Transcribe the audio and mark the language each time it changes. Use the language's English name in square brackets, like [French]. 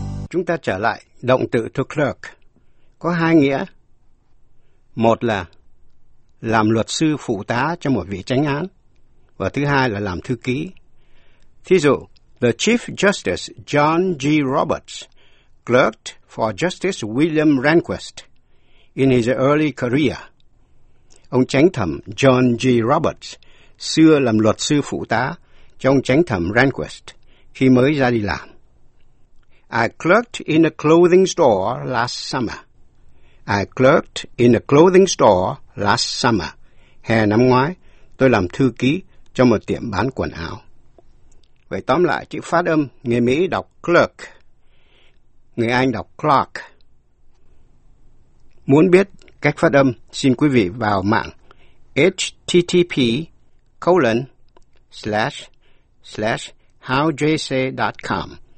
[Vietnamese] Chúng ta trở lại động từ to clerk, có hai nghĩa. Một là làm luật sư phụ tá cho một vị chánh án, và thứ hai là làm thư ký. [English] Thí dụ, the Chief Justice John G. Roberts clerked for Justice William Rehnquist in his early career. [Vietnamese] Ông chánh thẩm John G. Roberts xưa làm luật sư phụ tá cho ông chánh thẩm Rehnquist khi mới ra đi làm. [English] I clerked in a clothing store last summer. I clerked in a clothing store last summer. [Vietnamese] Hè năm ngoái, tôi làm thư ký cho một tiệm bán quần áo. Vậy tóm lại, chữ phát âm người Mỹ đọc clerk, người Anh đọc clerk. Muốn biết cách phát âm, xin quý vị vào mạng http://howjsay.com.